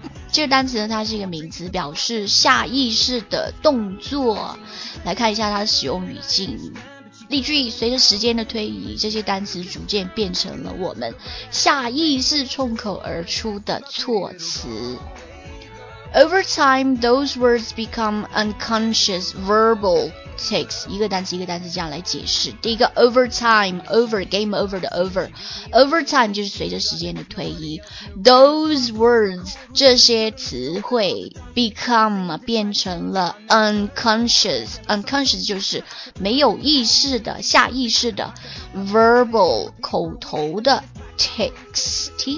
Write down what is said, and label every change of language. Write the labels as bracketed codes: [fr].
[zh] 这个单词呢，它是一个名词，表示下意识的动作。来看一下它的使用语境。例句：随着时间的推移，这些单词逐渐变成了我们下意识冲口而出的措辞。 [en] Over time, those words become unconscious verbal tics。 [zh] 一个单词一个单词这样来解释。第一个 ，over time，over game over 的 over。 Over time 就是随着时间的推移 ， [en] those words [zh] 这些词会 become 变成了 unconscious。 Unconscious 就是没有意识的、下意识的 verbal 口头的 tics。